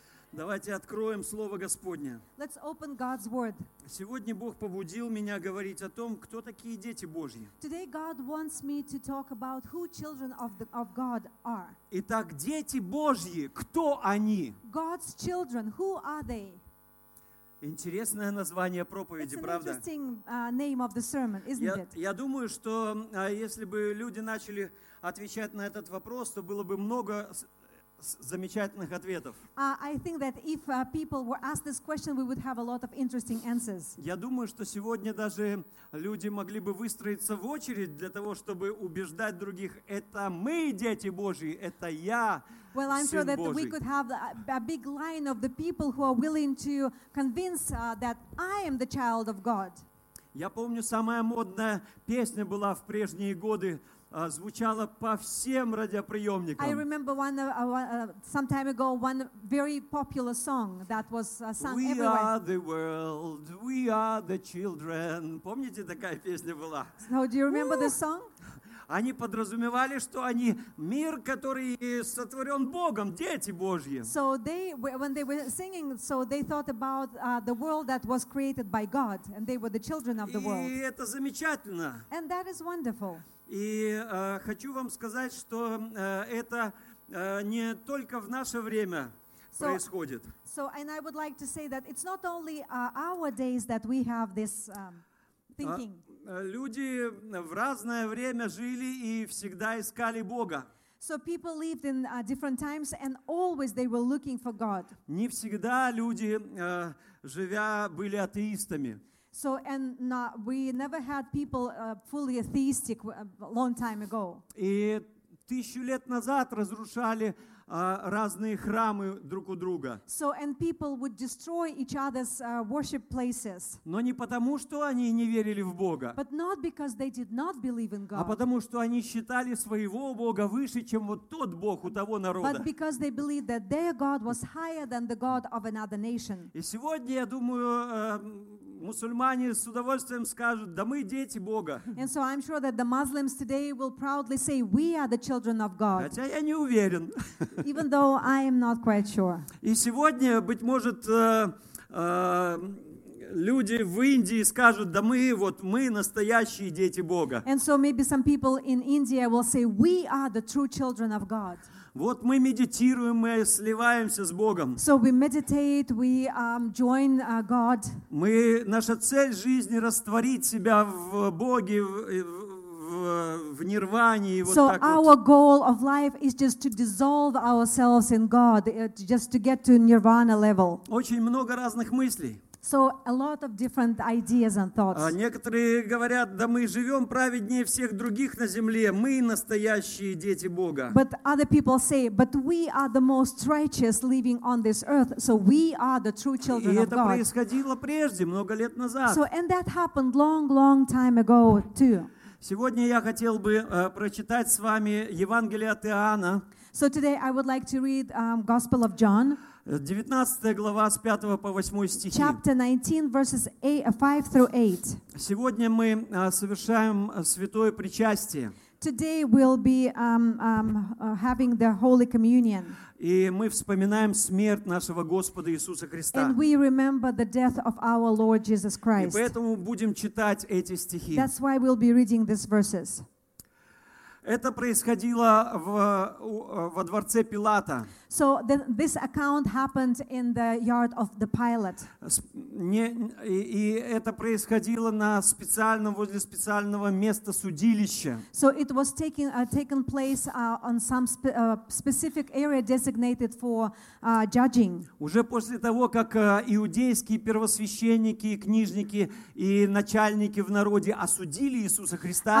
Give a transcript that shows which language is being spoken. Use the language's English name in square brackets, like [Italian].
[Russian] Давайте откроем Слово Господне. [English] Let's open God's Word. [Russian] Сегодня Бог побудил меня говорить о том, кто такие дети Божьи. [English] Today God wants me to talk about who children of God are. [Russian] Итак, дети Божьи, кто они? [English] God's children, who are they? [Russian] Интересное название проповеди, [English] It's an [Russian] правда? [English] Interesting, name of the sermon, isn't it? [Russian] Я думаю, что если бы люди начали отвечать на этот вопрос, то было бы много замечательных ответов. [English] I think that if people were asked this question, we would have a lot of interesting answers. [Russian] Я думаю, что сегодня даже люди могли бы выстроиться в очередь для того, чтобы убеждать других: это мы дети Божьи, это я Сын [English] Well, I'm sure that we could have a big line of the people who are willing to convince that I am the child of God. [Russian] Я помню, самая модная песня была в прежние годы. Звучало по всем радиоприемникам. [English] I remember some time ago one very popular song that was sung everywhere. We are the world, we are the children. [Russian] Помните, такая песня была? [English] So do you remember the song? [Russian] Они подразумевали, что они мир, который сотворен Богом, дети Божьи. [English] So they, when they were singing, so they thought about the world that was created by God, and they were the children of the world. [Russian] И это замечательно. [English] And that is wonderful. [Russian] И хочу вам сказать, что это не только в наше время происходит. [English] So, and I would like to say that it's not only our days that we have this thinking. [Russian] Люди в разное время жили и всегда искали Бога. [English] So people lived in different times and always they were looking for God. [Russian] Не всегда люди, живя, были атеистами. [English] So and not, we never had people fully atheistic a long time ago. [Russian] И тысячу лет назад разрушали разные храмы друг у друга. [English] So and people would destroy each other's worship places. [Russian] Но не потому, что они не верили в Бога. [English] But not because they did not believe in God. [Russian] А потому, что они считали своего Бога выше, чем вот тот Бог у того народа. [English] But because they believed that their God was higher than the God of another nation. [Russian] И сегодня, я думаю, мусульмане с удовольствием скажут: да мы дети Бога. [English] And so I'm sure that the Muslims today will proudly say we are the children of God. [Russian] Хотя я не уверен. [English] Even though I am not quite sure. [Russian] И сегодня, быть может, люди в Индии скажут: да мы настоящие дети Бога. [English] And so maybe some people in India will say we are the true children of God. [Russian] Вот мы медитируем, мы сливаемся с Богом. [English] So we meditate, we join God. [Russian] Мы, наша цель жизни — растворить себя в Боге, в нирване. Вот [English] so [Russian] так [English] our [Russian] вот. [English] Goal of life is just to dissolve ourselves in God, just to get to nirvana level. [Russian] Очень много разных мыслей. [English] So a lot of different ideas and thoughts. [Russian] Некоторые говорят: да мы живем праведнее всех других на земле, мы настоящие дети Бога. [English] But other people say, but we are the most righteous living on this earth, so we are the true children of God. [Russian] И это происходило прежде, много лет назад. [English] So and that happened long, long time ago too. [Russian] Сегодня я хотел бы прочитать с вами Евангелие от Иоанна. [English] So today I would like to read Gospel of John. [Russian] 19 глава с 5 по 8 стихи. [English] Chapter 19, verses 5 through 8. [Russian] Сегодня мы совершаем святое причастие. [English] Today we'll be having the Holy Communion. [Russian] И мы вспоминаем смерть нашего Господа Иисуса Христа. [English] And we remember the death of our Lord Jesus Christ. [Russian] И поэтому будем читать эти стихи. [English] That's why we'll be reading these verses. [Russian] Это происходило во дворце Пилата. [English] So this account happened in the yard of the Pilate. [Russian] И это происходило на специальном, возле специального места судилища. [English] So it was taken place on some specific area designated for judging. [Russian] Уже после того, как иудейские первосвященники, книжники и начальники в народе осудили Иисуса Христа.